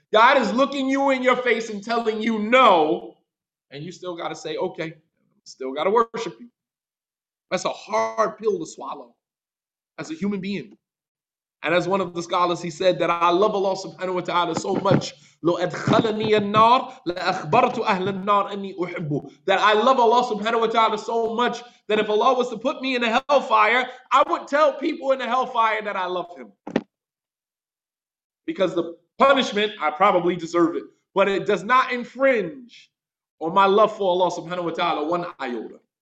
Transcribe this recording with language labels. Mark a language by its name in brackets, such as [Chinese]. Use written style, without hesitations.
[English] God is looking you in your face and telling you no. And you still got to say, okay, still got to worship you. That's a hard pill to swallow as a human being. And as one of the scholars, he said that I love Allah subhanahu wa ta'ala so much. [Arabic] لو أدخلني النار لأخبرت أهل النار أني أحبه. [English] That I love Allah subhanahu wa ta'ala so much that if Allah was to put me in a hellfire, I would tell people in the hellfire that I love him. Because the punishment, I probably deserve it. But it does not infringe on my love for Allah subhanahu wa ta'ala one iota.